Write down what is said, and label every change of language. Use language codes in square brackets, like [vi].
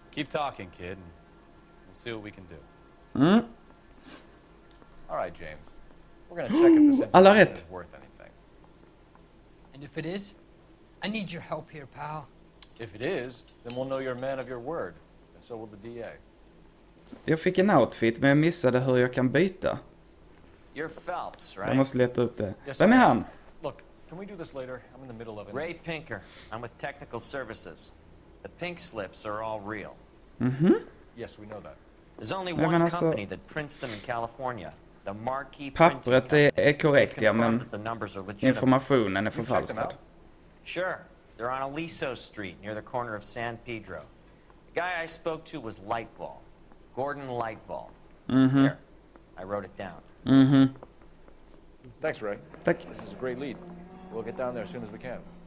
[en] Keep talking, kid. We'll see what we can do. All right, James. We're gonna check if this information is worth anything. And if it is, I need your help here, pal. If it is, then we'll know you're a man of your word. And so will the DA. [sv] Jag fick en outfit, men jag missade hur jag kan byta. [en] You're Phelps, right? [sv] Jag måste leta upp det. Yes, vem är han? [en] Can we do this later? I'm in the middle of it. Ray Pinker. I'm with Technical Services. The pink slips are all real. Mm-hmm. Yes, we know that. There's only one company that prints them in California. The Marquee Printing Company. [sv] Pappret är korrekt, ja, men informationen är förfalskad. [en] Sure. They're on Aliso Street near the corner of San Pedro. The guy I spoke to was Lightvall. Gordon Lightvall. Mm-hmm. Here. I wrote it down. Mm-hmm. Thanks, Ray. [sv] Tack. [en] This is a great lead. We'll get down there as soon as we can.